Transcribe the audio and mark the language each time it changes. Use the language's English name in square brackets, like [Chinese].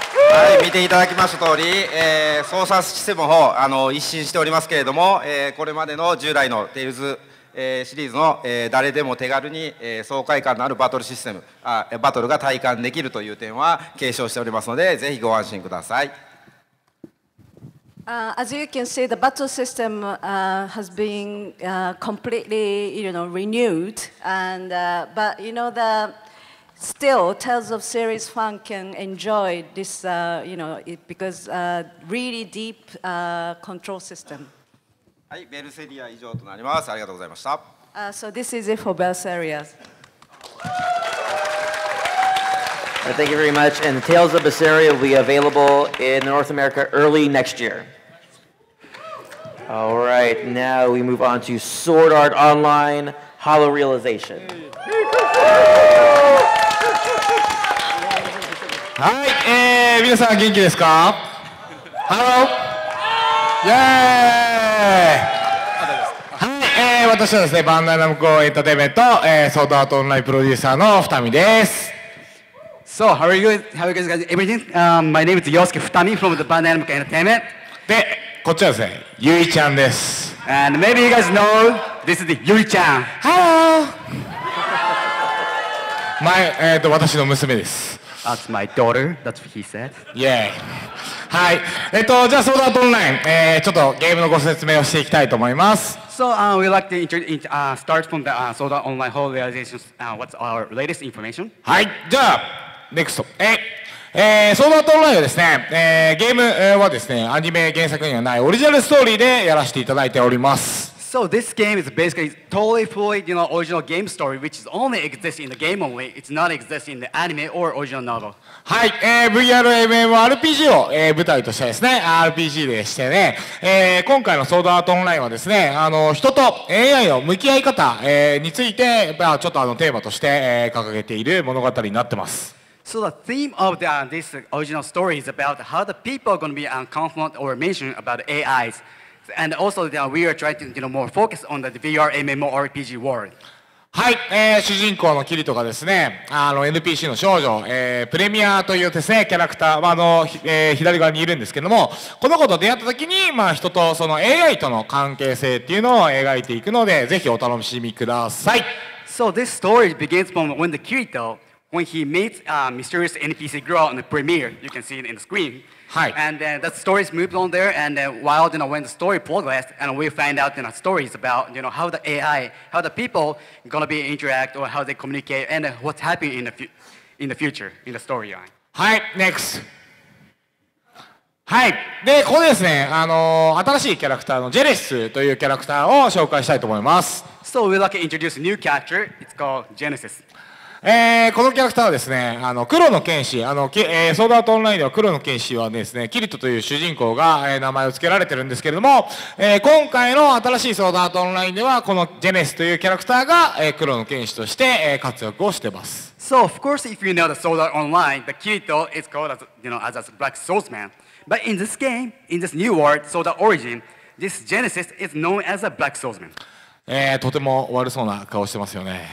[Japanese] はい、見ていただきました通り、操作システムの方、一新しておりますけれども、これまでの従来のテイルズ、シリーズの、誰でも手軽に、爽快感のあるバトルシステム、バトルが体感できるという点は継承しておりますので、ぜひご安心ください。 [English] As you can see, the battle system has been completely, renewed. And, but you know, the still Tales of Series fan can enjoy this, because really deep control system. はい、ベルセリア以上となります。ありがとうございました。 So this is it for Berseria. Thank you very much. And Tales of Berseria will be available in North America early next year. All right, now we move on to Sword Art Online Holo Realization. [Japanese] はい、皆さん元気ですか ? [English] Hello! [Japanese] イェーイ、はい、私はですね、バンダイナムコエンターテイメント、Sword Art Online プロデューサーの二見です。 [English] So, how are you? How are you guys? Everything?、My name is Yosuke Futami from the Bandai Namco Entertainment. [Japanese] でこっちはですね、ゆいちゃんです。 [English] And maybe you guys know, this is ゆいちゃん。 Hello! [Japanese] 私の娘です。 [English] That's my daughter, that's what he said. Yeah. はい。 [Japanese] じゃあ、ソードアートオンライン、ちょっとゲームのご説明をしていきたいと思います。 [English] So, we'd like to start from the Sword Art Online Holo Realization. What's our latest information? [Japanese] はい。じゃあ、 [English] next. [Japanese] ソードアートオンラインはですね、ゲームはですね、アニメ原作にはないオリジナルストーリーでやらせていただいております。 [English] So this game is basically totally fully, you know, original game story, which is only exists in the game only. It's not exists in the anime or original novel. [Japanese] はい、VR MMORPG を、舞台としてですね、RPG でしてね、今回のソードアートオンラインはですね、人と AI の向き合い方、について、ちょっとテーマとして、掲げている物語になってます。 [English] So the theme of the, this original story is about how the people are going to be confront or mention about AIs. And also we are trying to more focus on the VR MMORPG world. [Japanese] はい、主人公のキリトがですね、NPC の少女、プレミアというですね、キャラクター、左側にいるんですけども、この子と出会った時に、人とその AI との関係性っていうのを描いていくので、ぜひお楽しみください。 [English] So this story begins from when the Kirito,When he meets a mysterious NPC girl on the premiere, you can see it in the screen. Hi. And then the story's moved on there, and then while, when the story progressed, and we find out, stories about, how the AI, how the people are going to be interact, or how they communicate, and what's happening in the future, in the storyline. Hi, next. はい。 [Japanese] で、ここでですね、新しいキャラクターのジェネシスというキャラクターを紹介したいと思います。 [English] So we'd like to introduce a new character. It's called Genesis. [Japanese] このキャラクターはですね、黒の剣士、ソードアートオンラインでは黒の剣士はですね、キリトという主人公が、名前を付けられてるんですけれども、今回の新しいソードアートオンラインでは、このジェネスというキャラクターが、黒の剣士として、活躍をしてます。 [English] So, of course, if you know the Sword Art Online, the Kirito is called as, as a black swordsman. But in this game, in this new world, Sword Art Origin, this Genesis is known as a black swordsman. [Japanese] とても悪そうな顔してますよね。